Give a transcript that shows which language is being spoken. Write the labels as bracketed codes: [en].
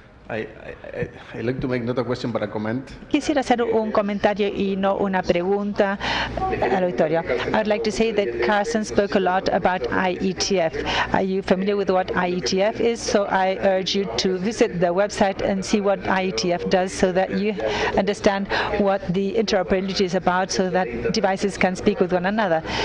[en] I'd like to make not a question, but a comment. [es] Quisiera hacer un comentario y no una pregunta al auditorio. [en] I'd like to say that Carsten spoke a lot about IETF. Are you familiar with what IETF is? So I urge you to visit the website and see what IETF does so that you understand what the interoperability is about, so that devices can speak with one another.